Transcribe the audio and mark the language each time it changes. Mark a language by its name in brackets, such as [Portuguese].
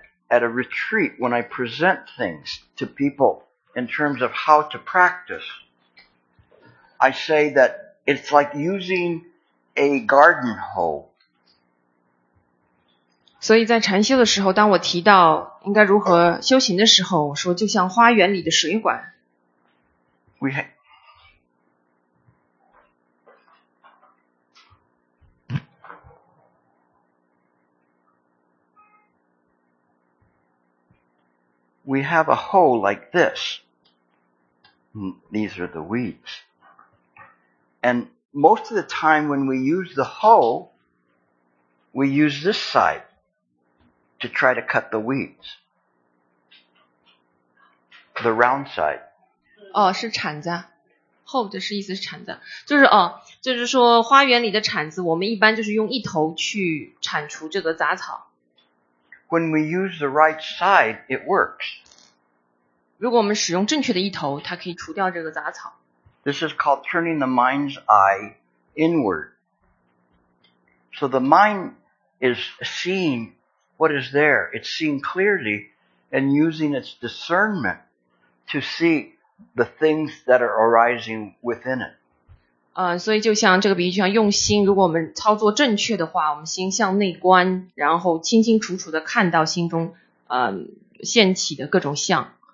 [English] at a retreat, when I present things to people in terms of how to practice, I say that it's like using a garden hoe. [Chinese] 所以在禅修的时候，当我提到应该如何修行的时候，我说就像花园里的水管。 [English] We have a hole like this. These are the weeds. And most of the time when we use the hole, we use this side to try to cut the weeds. The round side. [Chinese] 哦，是铲子。 Hole 的是意思是铲子。就是哦，就是说花园里的铲子，我们一般就是用一头去铲除这个杂草。 [English] When we use the right side, it works. [Chinese] 如果我们使用正确的一头，它可以除掉这个杂草。 [English] This is called turning the mind's eye inward. So the mind is seeing what is there. It's seeing clearly and using its discernment to see the things that are arising within it. [Chinese] 所以就像这个比喻，就像用心，如果我们操作正确的话，我们心向内观，然后清清楚楚地看到心中现起的各种相。